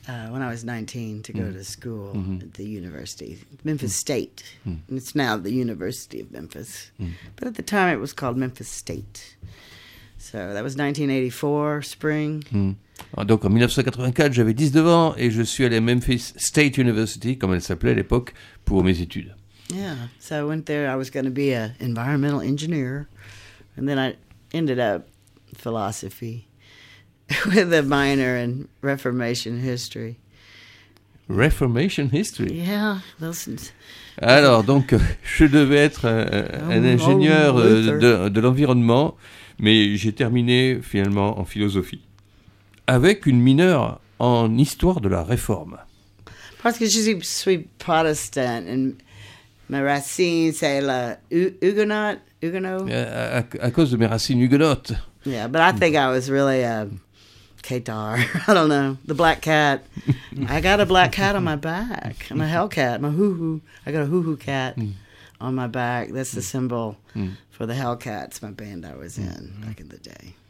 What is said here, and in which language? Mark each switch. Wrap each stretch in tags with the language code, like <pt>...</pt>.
<en>When I was 19 to go to school at the university, Memphis State, and it's now the University of Memphis, but at the time it was called Memphis State. So that was 1984, spring.</en> <fr>Donc en 1984, j'avais 19 ans et je suis allé à Memphis State University, comme elle s'appelait à l'époque, pour mes études.</fr> <en>Yeah, so I went there, I was going to be an environmental engineer, and then I ended up philosophy. With a minor in Reformation history. Reformation history? Yeah, listen.</en> <fr>Alors, donc, je devais être un ingénieur de l'environnement, mais j'ai terminé finalement en philosophie. Avec une mineure en histoire de la réforme. Parce que je suis protestant, et mes racines, c'est la huguenot. À cause de mes racines huguenotes.</fr> <en>Yeah, but I think I was really a. Qatar, I don't know, the black cat. I got a black cat on my back. I'm a hellcat, I'm a hoo-hoo. I got a hoo-hoo cat on my back. That's the symbol for the Hellcats, my band I was in back in the day.</en>